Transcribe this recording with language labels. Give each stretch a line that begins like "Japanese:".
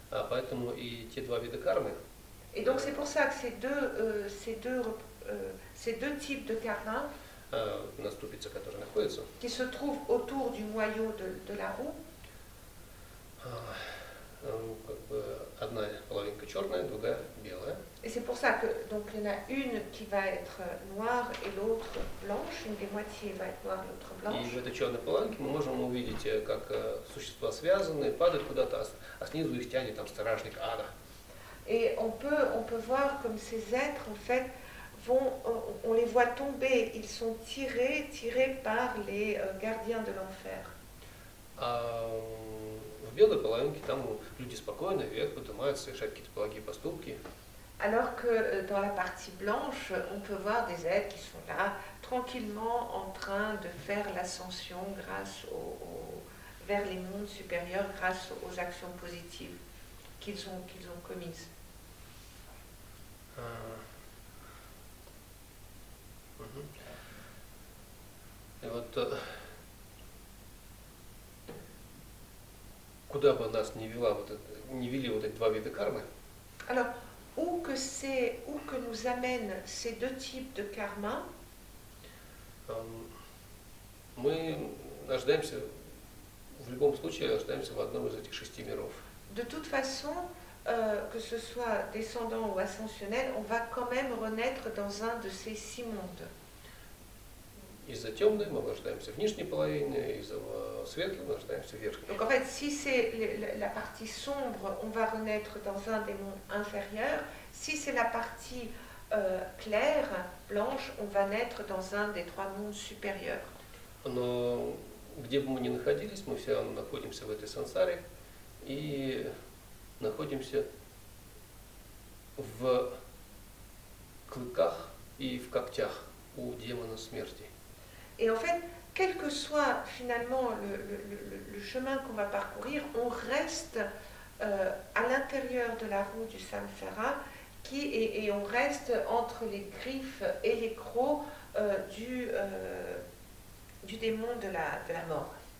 Russian: Поэтому и те два вида кармы.
French: Et donc c'est pour ça que ces deux types de karma,
Russian: на ступице, которая находится,
French: qui se trouvent autour du noyau de la roue,
Russian: как бы одна половинка черная, другая белая.
French: Et c'est pour ça que donc il y en a une qui va être noire et l'autre blanche, une des moitiés va être noire, l'autre blanche.
Russian: И в этой черной половинке мы можем увидеть, как существа связаны, падают куда-то, а снизу их тянет там стражник ада.
French: Et on peut voir comme ces êtres en fait vont, on les voit tomber, ils sont tirés par les gardiens de l'enfer.
Russian: В белой половинке там люди спокойно вверх поднимаются, совершают какие-то благие поступки.
French: Alors que dans la partie blanche, on peut voir des êtres qui sont là, tranquillement en train de faire l'ascension grâce vers les mondes supérieurs, grâce aux actions positives qu'ils ont commises.
Russian: Et вот, куда бы нас ни вела вот это, ни вели вот эти два вида кармы?
French: Alors, où que nous amènent ces deux types de karma,
Russian: мы ожидаемся, в любом случае, ожидаемся в одном из этих шести миров.
French: De toute façon, que ce soit descendant ou ascensionnel, on va quand même renaître dans un de ces six mondes.
Russian: Из-за темной мы рождаемся в нижней половине, из-за светлой мы рождаемся в верхней.
French: Donc en fait, si c'est la partie sombre, on va renaître dans un des mondes inférieurs. Si c'est la partie claire, blanche, on va naître dans un des trois mondes supérieurs.
Russian: Но где бы мы ни находились, мы все равно находимся в этой сансаре и находимся в клыках и в когтях у демона смерти.
French: Et en fait, quel que soit finalement le chemin qu'on va parcourir, on reste à l'intérieur de la roue du samsara et on reste entre les griffes et les crocs du démon de la mort.